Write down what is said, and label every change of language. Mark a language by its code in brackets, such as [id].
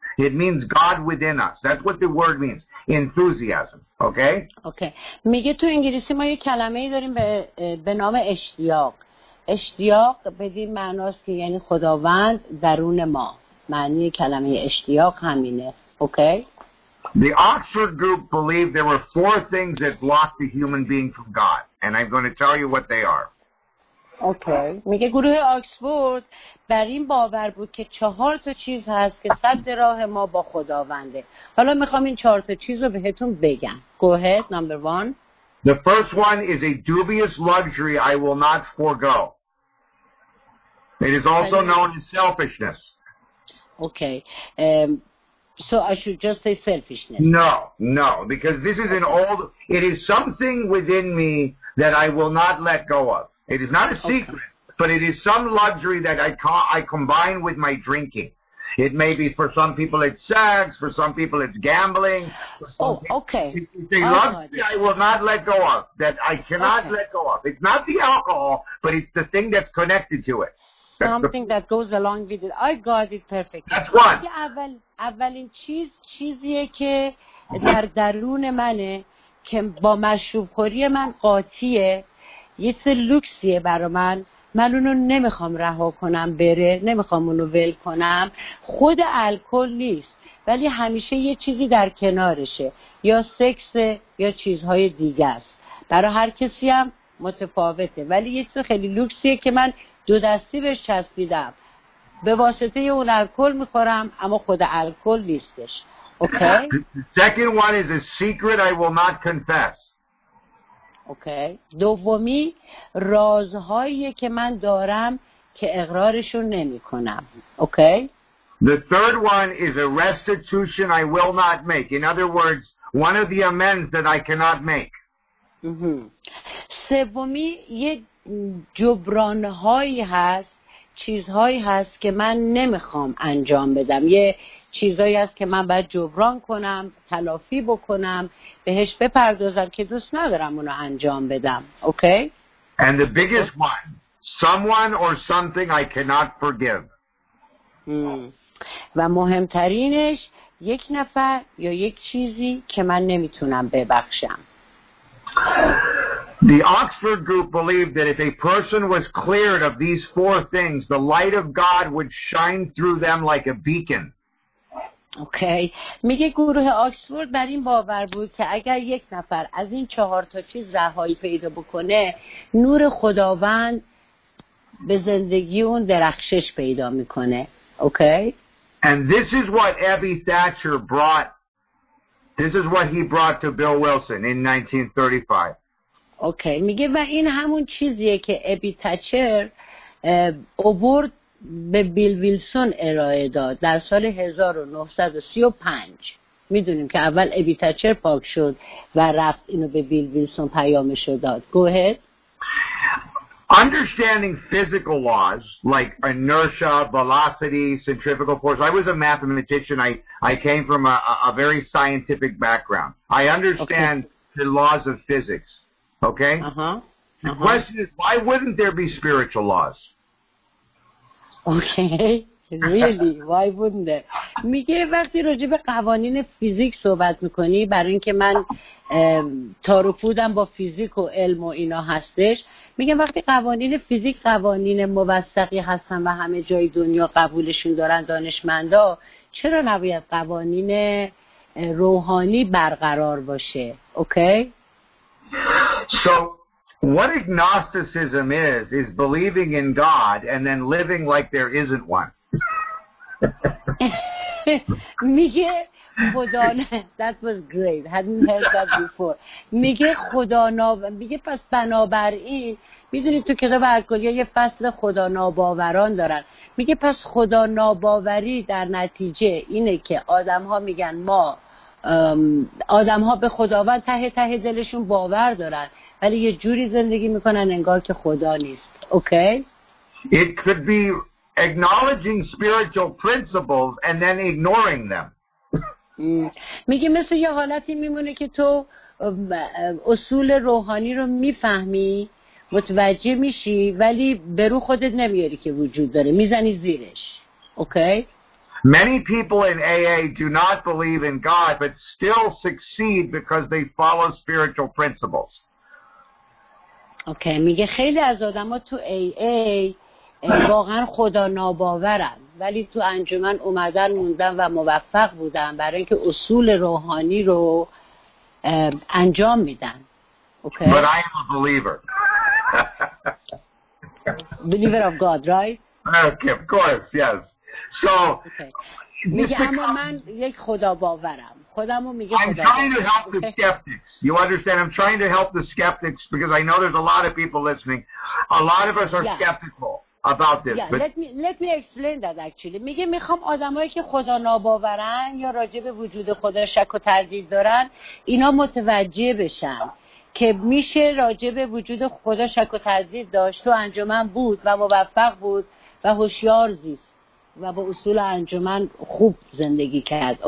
[en] It means God within us. That's what the word means. Enthusiasm. Okay? Okay. [fa] میگه تو انگلیسی ما یه کلمه‌ای داریم به نام اشتیاق. اشتیاق به این معناست که یعنی خداوند درون ما. معنی کلمه اشتیاق همینه. اوکی؟ [en] The Oxford group believed there were 4 things that blocked the human being from God, and I'm going to tell you what they are. Okay. [fa] میگه گروه آکسفورد بر این باور بود که 4 چیز هست که سد راه ما با خداونده. حالا میخوام این 4 چیز رو بهتون بگم. [en] Go ahead, number 1. The first one is a dubious luxury I will not forego. It is also known as selfishness. Okay. So I should just say selfishness. No, because this is an old, it is something within me that I will not let go of. It is not a secret, but it is some luxury that I combine with my drinking. It may be for some people it's sex, for some people it's gambling. It's a luxury I will not let go of, that I cannot let go of. It's not the alcohol, but it's the thing that's connected to it. Something that goes along with it. I got it perfectly. That's what. [fa] اولین چیز چیزیه که در درون منه که با مشروب خوری من قاطیه، یه چیز لوکسیه برای من. من اونو نمیخوام رها کنم بره، نمیخوام اونو ول کنم. خود الکل نیست، ولی همیشه یه چیزی در کنارشه، یا سکس یا چیزهای دیگه است. برای هر کسی هم متفاوته، ولی یه چیز خیلی لوکسیه که من دو دستی بهش چسبیدم. به واسطه اون الکل میخورم، اما خود الکل نیستش. [en] Okay? Second one is a secret I will not confess. Okay. [fa] دومی رازهایی که من دارم که اقرارشون نمیکنم. [en] Okay? The third one is a restitution I will not make. In other words, one of the amends that I cannot make. [fa] سومی یه جبران هایی هست چیزهایی هست که من نمیخوام انجام بدم، یه چیزهایی هست که من باید جبران کنم، تلافی بکنم، بهش بپردازم که دوست ندارم اونو انجام بدم. [en] Okay? And the biggest one, someone or something I cannot forgive. [fa] و مهمترینش یک نفر یا یک چیزی که من نمیتونم ببخشم. [en] The Oxford group believed that if a person was cleared of these four things, the light of God would shine through them like a beacon. Okay. [fa] میگه گروه آکسفورد بر این باور بود که اگر یک نفر از این چهار تا چیز رهایی پیدا بکنه، نور خداوند به زندگی اون درخشش پیدا میکنه. [en] Okay? And this is what Abby Thatcher brought. This is what he brought to Bill Wilson in 1935. Okay. [fa] میگه و این همون چیزیه که ابی تاچر اوورد به بیل ویلسون ارائه داد در سال 1935. میدونیم که اول ابی تاچر پاک شد و رفت اینو به بیل ویلسون پیامش رو داد. [en] Go ahead. Understanding physical laws like inertia, velocity, centrifugal force. I was a mathematician. I came from a very scientific background. I understand the laws of physics. Okay? The question is, why wouldn't there be spiritual laws? Okay, really? Why wouldn't it? [fa] میگه وقتی راجع به قوانین فیزیک صحبت میکنی، برای اینکه من تار و پودم با فیزیک و علم و اینا هستش، میگه وقتی قوانین فیزیک قوانین موثقی هستن و همه جای دنیا قبولشون دارن دانشمندا، چرا نباید قوانین روحانی برقرار باشه؟ Okay? [en] So what agnosticism is believing in God and then living like there isn't one. [fa] میگه خدا نه. [en] That was great. Hadn't heard that before. [fa] میگه خدا ناباور. میگه پس بنابراین میدونی تو کتاب الکلیا یه فصل خدا ناباوران دارن. میگه پس خدا ناباوری در نتیجه اینه که آدم ها میگن ما آدم ها به خداوند ته ته دلشون باور دارن، ولی یه جوری زندگی میکنن انگار که خدا نیست. [en] Okay? It could be acknowledging spiritual principles and then ignoring them. [fa] میگه مثل یه حالتی میمونه که تو اصول روحانی رو میفهمی، متوجه میشی، ولی به رو خودت نمیاری که وجود داره، میزنی زیرش. [en] Okay? Many people in AA do not believe in God but still succeed because they follow spiritual principles. Okay. [fa] میگه خیلی از آدم‌ها تو AA واقعا خدا ناباورن، ولی تو انجمن اومدن موندن و موفق بودن برای اینکه اصول روحانی رو انجام میدن. [en] Okay. But I am a believer. Believer of God, right? Okay, of course, yes. So, I'm trying to help the skeptics. You understand? I'm trying to help the skeptics because I know there's a lot of people listening. A lot of us are skeptical. About this, yeah, let me explain that actually. [fa] میگه میخوام آدمایی که خدا ناباورن یا راجع به وجود خدا شک و تردید دارن، اینا متوجه بشن که میشه راجع به وجود خدا شک و تردید داشت و انجمن بود و موفق بود و هوشیار زیست و با اصول انجمن خوب زندگی کرد.